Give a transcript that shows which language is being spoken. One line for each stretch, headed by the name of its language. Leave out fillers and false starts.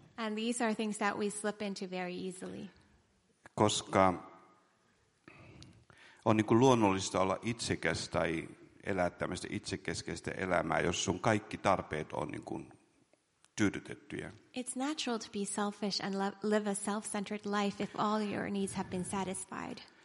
English: And these are things that we slip into very easily.
Finnish: Koska on niin kuin luonnollista olla itsekäs tai elää tämmöistä itsekeskeistä elämää, jos sun kaikki tarpeet on niin kuin tyydytettyjä.
English: It's natural to be selfish and live a self-centered life if all your needs have been satisfied.